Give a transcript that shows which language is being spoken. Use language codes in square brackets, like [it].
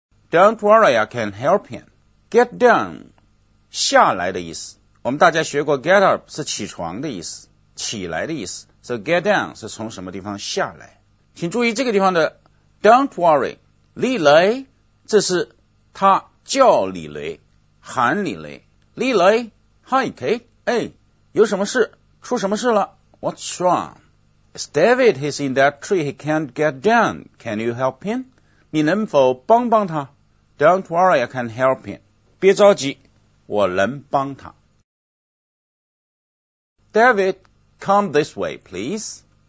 [en] Don't worry, I can help him. Get down, [zh] 下来的意思。我们大家学过 [en] get up [zh] 是起床的意思，起来的意思。 [en] So get down [zh] 是从什么地方下来。请注意这个地方的 [en] don't worry, [zh] 李雷，这是他叫李雷，喊李雷。李雷 , [en] Hi, Kate, [zh] 哎，有什么事？出什么事了？ [en] What's wrong? It's David, he's in that tree, he can't get down. Can you help him? [zh] 你能否帮帮他？ [en] Don't worry, I can help him. [zh] 别着急，我能帮他。 [en] David, come this way, please.